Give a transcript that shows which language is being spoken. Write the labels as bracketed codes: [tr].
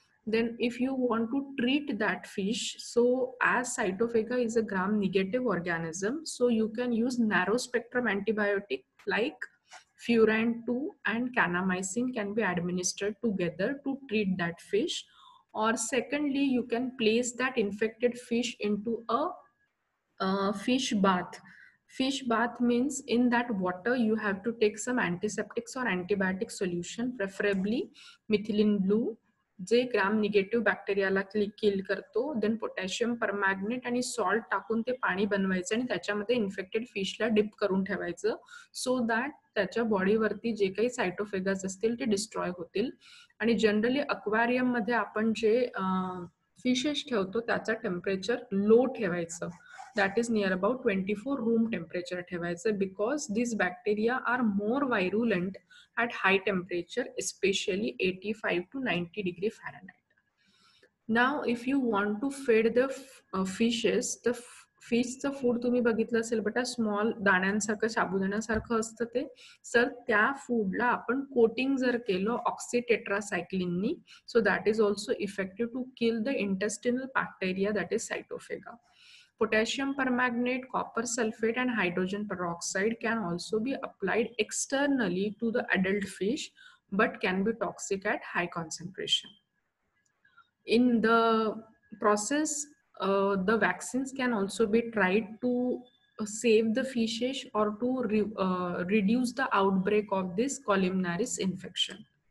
[en] Then if you want to treat that fish, so as Cytophaga is a gram-negative organism, so you can use narrow-spectrum antibiotic like Furan-2 and kanamycin can be administered together to treat that fish. Or secondly, you can place that infected fish into a fish bath. Fish bath means in that water you have to take some antiseptics or antibiotic solution, preferably methylene blue. [mr] जे ग्राम negative बॅक्टेरियाला किल करतो, then potassium परमॅग्नेट आणि salt टाकून ते पाणी बनवायचं आणि त्याच्यामध्ये infected फिशला deep करून ठेवायचं, सो दॅट त्याच्या बॉडीवरती जे काही सायटोफेगास असतील ते डिस्ट्रॉय होतील. आणि जनरली अक्वॅरियम मध्ये आपण जे फिशेस ठेवतो त्याचा टेम्परेचर लो ठेवायचं, that is near about 24 room temperature ठेवायचं, because this bacteria are more वायरुलंट at high temperature, especially 85 to 90 degree Fahrenheit. Now if you want to फेड द फिशेस, द फिशचं फूड तुम्ही बघितलं असेल बेटा स्मॉल दाण्यांसारखं साबुदाण्यासारखं असतं ते, सर त्या फूडला आपण कोटिंग जर केलं ऑक्सिटेट्रासायक्लिननी, so that is also effective to kill the intestinal bacteria that is सायटोफेगा. [en] Potassium permanganate, copper sulfate and hydrogen peroxide can also be applied externally to the adult fish but can be toxic at high concentration. In the process, the vaccines can also be tried to save the fishes or to reduce the outbreak of this columnaris infection.